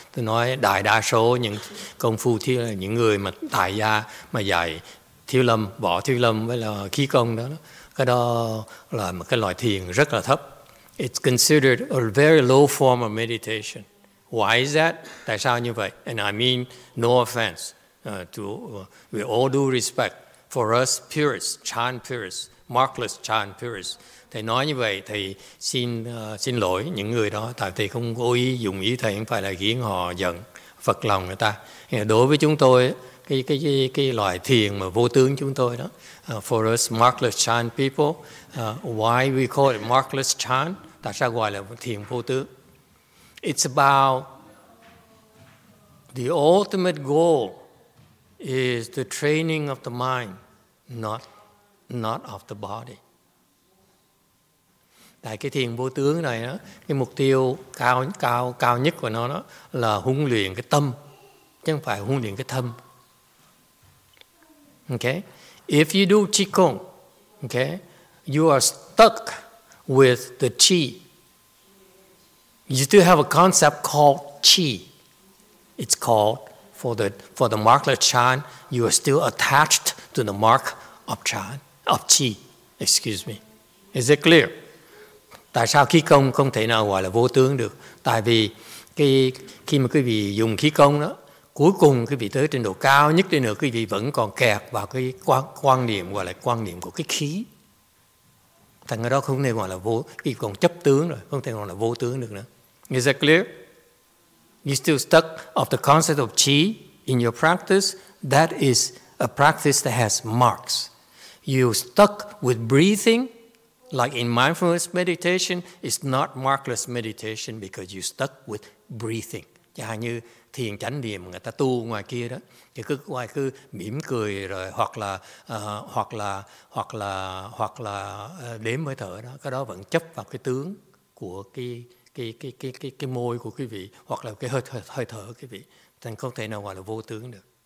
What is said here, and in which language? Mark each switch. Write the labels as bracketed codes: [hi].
[vi] Tôi nói đại đa số những công phu thi là những người mà tài gia mà dạy thi lâm, bỏ thi lâm với là khí công đó. Cái đó là một cái loại thiền rất là thấp. [en] It's considered a very low form of meditation. Why is that? [vi] Tại sao như vậy? [en] And I mean no offense. We all due respect for us purists, Chan purists. Markless Chan Purist. [vi] Thầy nói như vậy, thầy xin xin lỗi những người đó, tại thầy không cố ý dùng ý thầy, không phải là khiến họ giận Phật lòng người ta. Đối với chúng tôi, cái loại thiền mà vô tướng chúng tôi đó, [en] for us Markless Chan [vi] people, why we call it Markless Chan, tại sao gọi là thiền vô tướng? [en] It's about the ultimate goal is the training of the mind, not of the body. [vi] Tại cái thiền vô tướng này đó, cái mục tiêu cao nhất của nó đó là huấn luyện cái tâm, chứ không phải huấn luyện cái thân. [en] Okay? If you do qigong, okay, you are stuck with the qi. You still have a concept called qi. It's called for the mark of Chan, you are still attached to the mark of Chan. Of chi, excuse me. Is it clear? [vi] Tại sao khí công không thể nào gọi là vô tướng được? Tại vì khi mà quý vị dùng khí công đó, cuối cùng quý vị tới trình độ cao nhất đi nữa, quý vị vẫn còn kẹt vào cái quan niệm gọi là quan niệm của cái khí. Thành ra đó không thể gọi là vô, khi còn chấp tướng rồi, không thể gọi là vô tướng được nữa. [en] Is it clear? You still stuck of the concept of chi in your practice? That is a practice that has marks. You stuck with breathing, like in mindfulness meditation, it's not markless meditation because you stuck with breathing. [vi] Chẳng như thiền chánh niệm người ta tu ngoài kia đó, thì cứ ngoài cứ mỉm cười rồi hoặc là đếm hơi thở đó, cái đó vẫn chấp vào cái tướng của cái môi của quý vị hoặc là cái hơi thở của quý vị, thì không thể nào gọi là vô tướng được.